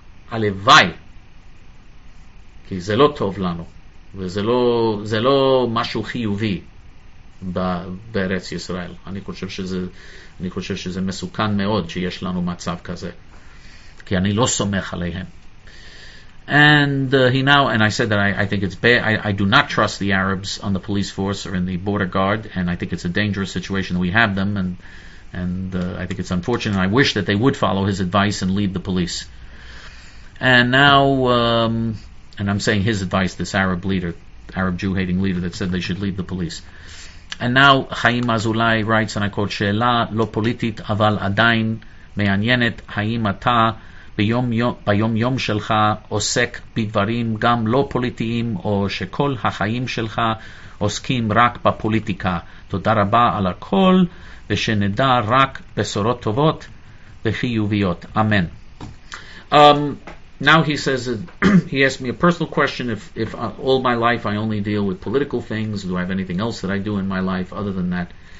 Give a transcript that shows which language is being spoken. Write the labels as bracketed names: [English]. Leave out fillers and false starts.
[Hebrew] הלוואי, כי זה לא טוב לנו, וזה לא משהו חיובי בארץ ישראל. אני חושב שזה מסוכן מאוד שיש לנו מצב כזה, כי אני לא סומך עליהם. [English] And I said that I think it's bad. I do not trust the Arabs on the police force or in the border guard, and I think it's a dangerous situation that we have them, and I think it's unfortunate. I wish that they would follow his advice and leave the police. And now and I'm saying his advice, this Arab leader, Arab Jew hating leader that said they should leave the police. And now Chaim Azulai writes, and I quote, [Hebrew] שאלה לא פוליטית אבל עדיין מעניינת, האם אתה ביום יום שלך עוסק בדברים גם לא פוליטיים, או שכל החיים שלך עוסקים רק בפוליטיקה? תודה רבה על הכל, ושנדע רק בשורות טובות וחיוביות. אמן. [English] Now he says he asked me a personal question. If all my life I only deal with political things, do I have anything else that I do in my life other than that?